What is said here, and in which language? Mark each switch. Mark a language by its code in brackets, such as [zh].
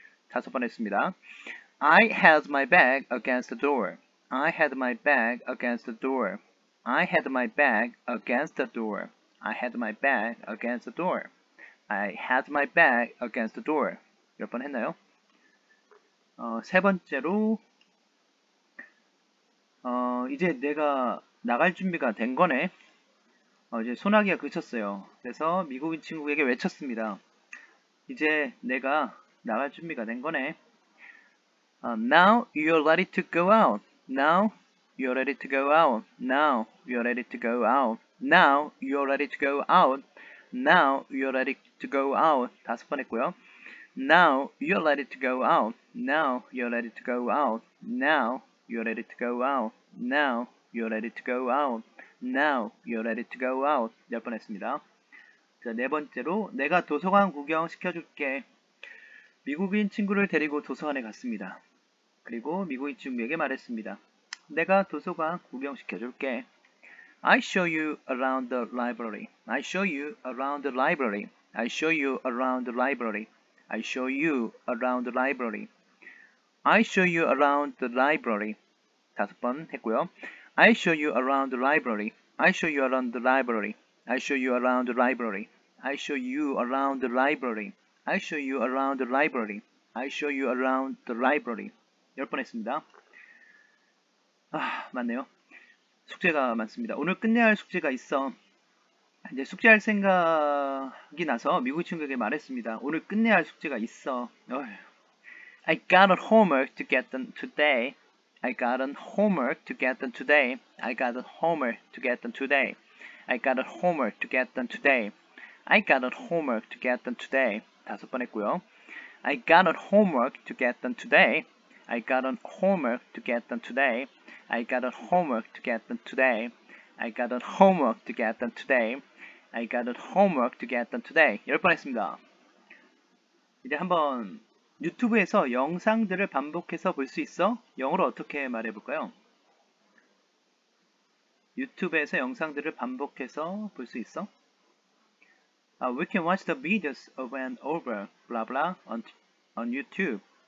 [ko] 다섯 번 했습니다. [en] I had my back against the door. I had my back against the door. I had my back against the door. I had my back against the door. I had my back against the door. [ko] 몇 번 했나요? 세 번째로 이제 내가 나갈 준비가 된 거네. 이제 소나기가 그쳤어요. 그래서 미국인 친구에게 외쳤습니다. 이제 내가 나갈 준비가 된 거네. [en] Now you're ready to go out. Now you're ready to go out. Now you're ready to go out. Now you're ready to go out. Now you're ready to go out. [ko] 다섯 번 했고요. [en] Now you're ready to go out. Now you're ready to go out. Now you're ready to go out. Now you're ready to go out. Now you're ready to go out. [ko] 열 번 했습니다. 자, 네 번째로 내가 도서관 구경 시켜줄게. 미국인 친구를 데리고 도서관에 갔습니다. 그리고 미국인 친구에게 말했습니다. 내가 도서관 구경 시켜줄게. [en] I show you around the library. I show you around the library. I show you around the library. I show you around the library. I show you around the library. [ko] 다섯 번 했고요. [en] I show you around the library. I show you around the library. I show you around the library. I show you around the library. I show you around the library. I show you around the library. [ko] 열 번 했습니다. 맞네요. 숙제가 많습니다. 오늘 끝내야 할 숙제가 있어. 이제 숙제할 생각이 나서 미국 친구에게 말했습니다. 오늘 끝내야 할 숙제가 있어. [en] I got a homework to get done today. I got a homework to get done today. I got a homework to get done today. I got a homework to get done today. I got a homework to get done today. [ko] 다섯 번 했고요. [en] I got a homework to get done today. I got a homework to get done today. I got a homework to get done today. I got a homework to get done today. I got a homework to get done today. [ko] 열 번 했습니다. 이제 한번 유튜브에서 영상들을 반복해서 볼 수 있어? 영어로 어떻게 말해 볼까요? 유튜브에서 영상들을 반복해서 볼 수 있어? [en] We can watch the videos over and over, blah blah, on YouTube.